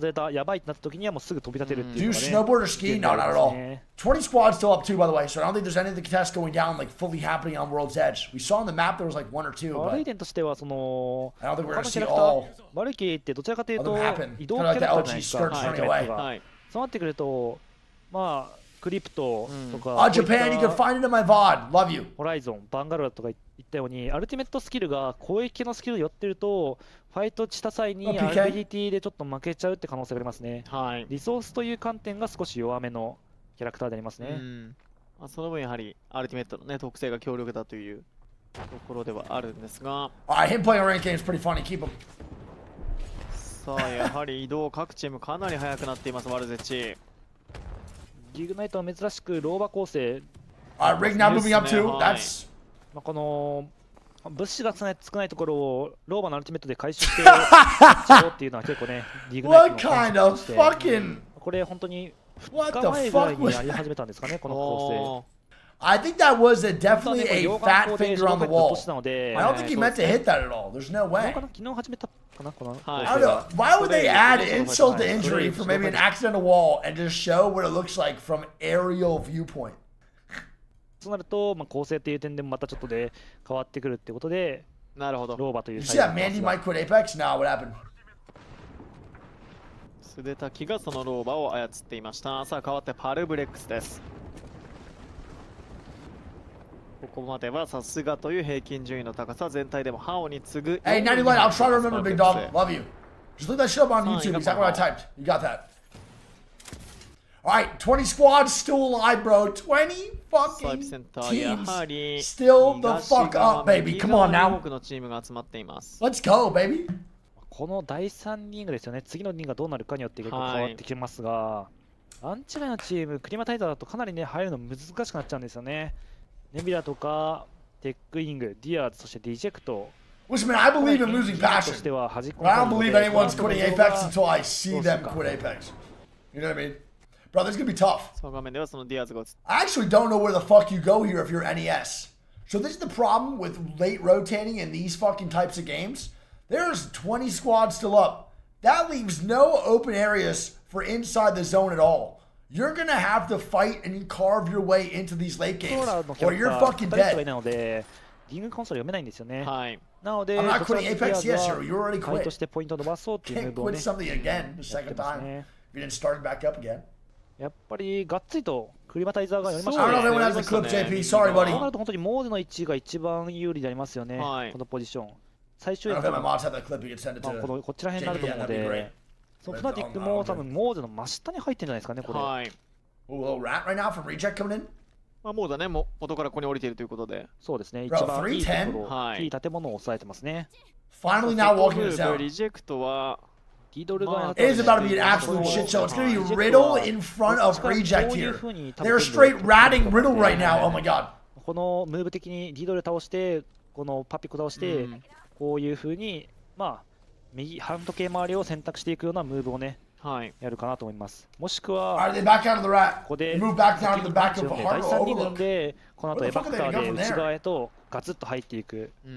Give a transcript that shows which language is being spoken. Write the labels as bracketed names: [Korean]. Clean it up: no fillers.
[Japanese] どこでも飛べるっていうテレビが強いですよね。タイミングはちゃんと見ないと。そのエバクターって出るまでに結構発動時間かかっちゃうので、それに対してバルキーのアルティメットっていうのはノーアクションでいけるので、自分たちがアンチ外れたやばいってなった時にはもうすぐ飛び立てるっていう。Do [English] you snowboard or ski? Not at all. 20 squads still up too, by the way. So I don't think there's any of the contests going down like fully happening on World's Edge. We saw on the map there was like one or two. But I don't think we're gonna see all. [Japanese] バルキーってどちらかというと移動キャラクターじゃないですか。そうなってくると、まあクリプトとか、 [English] あ、Japan、you can find it in my VOD、love you。 [Japanese] ホライゾン、バンガロアとか言ったように、アルティメットスキルが攻撃系のスキルに寄ってると、ファイトした際にアビリティでちょっと負けちゃうって可能性がありますね。はい。リソースという観点が少し弱めのキャラクターでありますね。まあ、その分やはりアルティメットのね特性が強力だというところではあるんですが。 [English] あ、him playing ranked game is pretty funny. Keep him. [Japanese] さあやはり移動各チームかなり速くなっていますワルゼチギグナイトは珍しくローバー構成 [English] あ、リグナー moving up too that's [Japanese] まあこの物資が少ないところをローバーのアルティメットで回収してしようっていうのは結構ねリグナイトの感じとして [English] What kind of fucking [Japanese] これ本当に2日前ぐらいにやり始めたんですかねこの構成 [English] I think that was a definitely a fat finger on the wall. I don't think he meant to hit that at all. There's no way. I don't know. Why would they add insult to injury for maybe an accidental wall and just show what it looks like from aerial viewpoint? [Japanese] そうなると、まあ構成という点でもまたちょっとで変わってくるってことで、なるほど。ローバという。 [English] You see that Mandy might quit Apex now? What happened? [Japanese] 素手滝がそのローバを操っていました。さあ変わってパルブレックスです。ここまではさすがという平均順位の高さ全体でもハオに次ぐ [English] Hey 91 I'll try to remember big dog love you Just look that shit up on YouTube exactly what I typed You got that Alright 20 squads still alive bro 20 fucking teams Still the fuck up baby Come on now [Japanese] 多くのチームが集まっています [English] Let's go baby [Japanese] この第3リングですよね次のリングがどうなるかによって結構変わってきますがアンチ内のチームクリマタイザーだとかなりね入るの難しくなっちゃうんですよねネビラとかテックイングディアーズそしてディジェクト [English] Listen man, I believe in losing passion [Japanese] としては弾 [English] く I don't believe anyone's quitting Apex until I see them quit Apex You know what I mean? Bro, this is gonna be tough [Japanese] その画面ではそのディアーズが [English] I actually don't know where the fuck you go here if you're NES So this is the problem with late rotating in these fucking types of games There's 20 squads still up That leaves no open areas for inside the zone at allYou're gonna have to fight and carve your way into these late games, or you're fucking dead. [Japanese] なので、リングコンソール読めないんですよね。はい。なので、 [English] I'm not quitting Apex. Yes, sir. You already quit. [Japanese] としてポイント伸ばそうっていうムーブをね。 [English] Can't quit something again the second time. You didn't start back up again. [Japanese] やっぱりガッツリとクリマタイザーが読みました。 [English] I don't know if anyone has a clip, JP. Sorry, buddy. [Japanese] なると本当にモードの位置が一番有利でありますよね。はい。このポジション。最終的に。 [English] I don't know if my mods have that clip. You can send it to. [Japanese] このこちら辺になると思うので。そのフナティックも多分モードの真下に入ってるんじゃないですかねこれ。はい。 [English] おお、ラット right now from reject coming in。 [Japanese] まあモードねも元からここに降りているということで。そうですね。一番いいところ、いい建物を抑えてますね。 [English] Finally now walking this out。 [Japanese] リジェクトは [English] It is about to be an absolute shit show. It's going to be Riddle in front of Reject here. They're straight ratting Riddle right now. Oh my god. [Japanese] このムーブ的にディドル倒して、このパピコ倒して、こういう風に、まあ、右半時計周りを選択していくようなムーブをね、やるかなと思います。もしくは、Are [English] they back out of the rat? [Japanese] ここで、ムーブバックダウンとバックオブハート。第3人なんで、この後エバクターで内側へとガツッと入っていく。